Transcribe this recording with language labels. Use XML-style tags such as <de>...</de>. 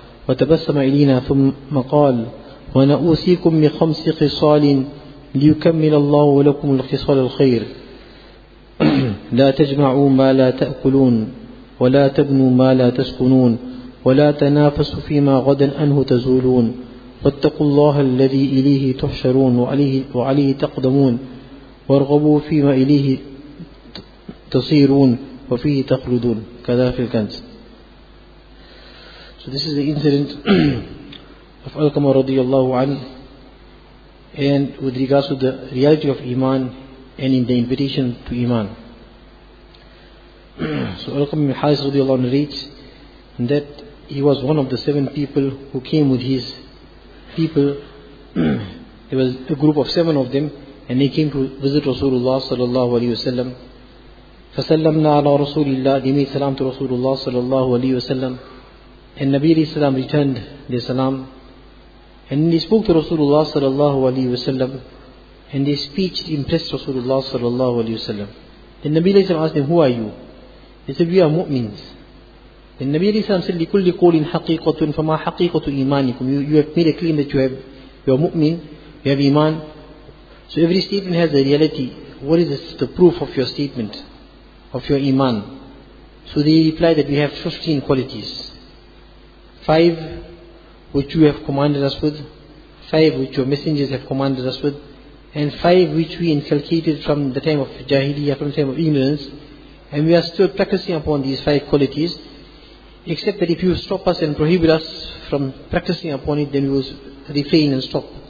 <ar>وتبسم إلينا ثم قال: ونأوصيكم بخمس خصال ليكمل الله لكم الخصال الخير: لا تجمعوا ما لا تأكلون، ولا تبنوا ما لا تسكنون، ولا تنافسوا فيما غدا أنه تزولون، واتقوا الله الذي إليه تحشرون وعليه تقدمون، وارغبوا فيما إليه تصيرون وفيه تخلدون. كذا في الكنز.</ar> <en>So this is the incident of Alqama radiallahu anhu, and with regards to the reality of Iman and in the invitation to Iman. So Alqama bin Haris radiallahu anhu reached that he was one of the seven people who came with his people. There was a group of seven of them, and they came to visit Rasulullah sallallahu alayhi wasallam.</en> <ar>فسلمنا على رسول الله,</ar> <en>they made salam to Rasulullah sallallahu alayhi wa sallam, and Nabi alayhi salam returned the salam, and they spoke to Rasulullah sallallahu alayhi wa sallam, and their speech impressed Rasulullah sallallahu alayhi wa sallam. Then Nabi alayhi salam asked them, who are you? They said, we are mu'mins. Then Nabi alayhi salam said,</en> <ar>لكل قول حقيقة فما حقيقة إيمانكم.</ar> <en>You have made a claim that you are mu'min, you have iman. So every statement has a reality. What is this, the proof of your statement, of your iman? So they replied that we have 15 qualities. 5 which you have commanded us with, 5 which your messengers have commanded us with, and 5 which we inculcated from the time of Jahiliyyah, from the time of ignorance, and we are still practicing upon these 5 qualities, except that if you stop us and prohibit us from practicing upon it, then we will refrain and stop.</en>